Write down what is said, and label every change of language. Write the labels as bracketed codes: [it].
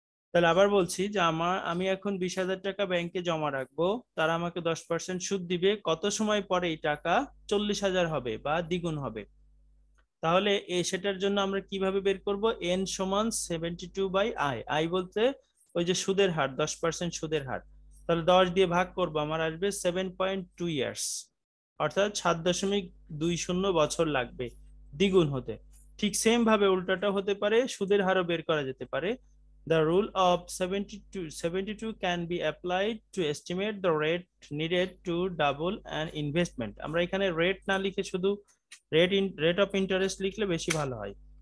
[bn] তাহলে আবার বলছি যে আমি এখন 20,000 টাকা ব্যাংকে জমা রাখবো, তারা আমাকে 10% সুদ দিবে, কত সময় পরে এই টাকা 40,000 হবে বা দ্বিগুণ হবে, তাহলে সেটার জন্য আমরা কিভাবে বের করব, এন সমান 72/আই, আই বলতে ওই যে সুদের হার, 10% সুদের হার, তাহলে 10 দিয়ে ভাগ করবো আমার আসবে 7.2 ইয়ার্স, অর্থাৎ 7.20 বছর লাগবে দ্বিগুণ হতে। ঠিক সেম ভাবে উল্টাটা হতে পারে, সুদের হারও বের করা যেতে পারে, [en] The rule of 72 can be applied to estimate the rate needed to double an investment. [bn] আমরা এখানে রেট না লিখে শুধু রেট অফ ইন্টারেস্ট লিখলে বেশি ভালো হয়।